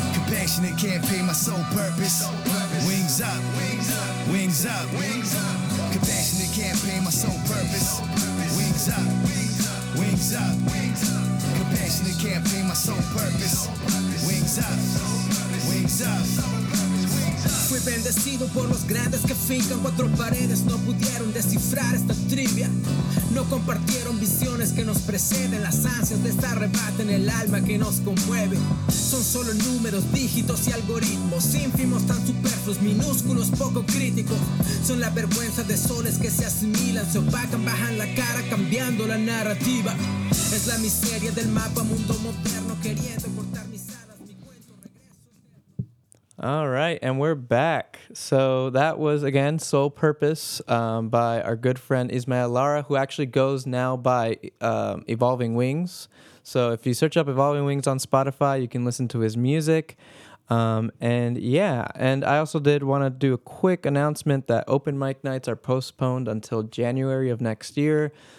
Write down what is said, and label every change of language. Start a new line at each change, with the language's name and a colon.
English: Compassion that can't pay my soul purpose. Wings up, wings up, wings up, wings up. Compassion that can't pay my soul purpose. Wings up, wings up, wings up. Compassion that can't pay my soul purpose. Wings up, wings up.
Spanish: Fui bendecido por los grandes que fincan cuatro paredes. No pudieron descifrar esta trivia. No compartieron visiones que nos preceden. Las ansias de estar rebaten el alma que nos conmueve. Son solo números, dígitos y algoritmos. Ínfimos, tan superfluos, minúsculos, poco críticos. Son la vergüenza de soles que se asimilan. Se opacan, bajan la cara cambiando la narrativa. Es la miseria del mapa mundo moderno queriendo cortar mis alas. Mi cuento regreso.
English: All right, and we're back. So that was, again, Soul Purpose by our good friend Ismael Lara, who actually goes now by Evolving Wings. So if you search up Evolving Wings on Spotify, you can listen to his music. And I also did want to do a quick announcement that open mic nights are postponed until January of next year.